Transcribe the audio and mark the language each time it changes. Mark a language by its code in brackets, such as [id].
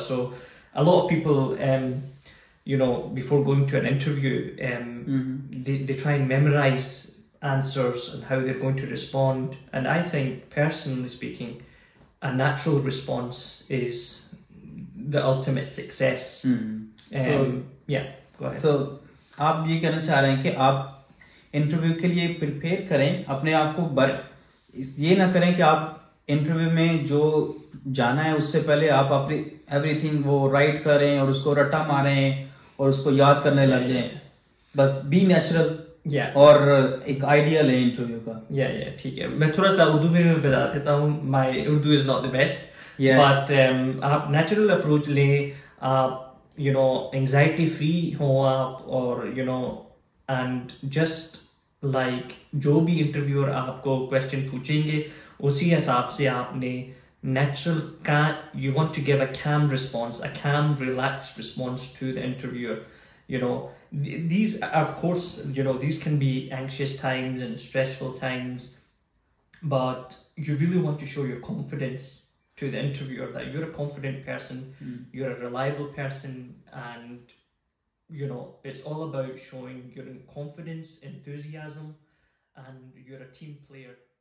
[en] So a lot of people, you know, before going to an interview, they try and memorize answers and how they're going to respond. And I think, personally speaking, a natural response is the ultimate success. [hi] So, आप ये कहना चाह रहे हैं कि आप interview के लिए प्रिपेयर करें अपने आप को, बर ये ना करें कि आप इंटरव्यू में जो जाना है उससे पहले आप अपनी एवरीथिंग वो राइट करें और उसको रट्टा मारें और उसको याद करने लग जाएं. बस बी नेचुरल और एक आइडिया लें इंटरव्यू का. ठीक है, मैं थोड़ा सा उर्दू में बता देता हूँ. [en] my Urdu is not the best, but [hi] आप नेचुरल अप्रोच लें. [en] आप you know anxiety free हो आप, और you know and just like [hi] जो भी इंटरव्यूअर आपको क्वेश्चन पूछेंगे उसी हिसाब से [en] आपने नेचुरल का, you want to give a calm response, a calm relax response to the interviewer. You know these of course you know these can be anxious times and stressful times, but you really want to show your confidence to the interviewer that you're a confident person, you're a reliable person, and you know, it's all about showing your confidence, enthusiasm, and you're a team player.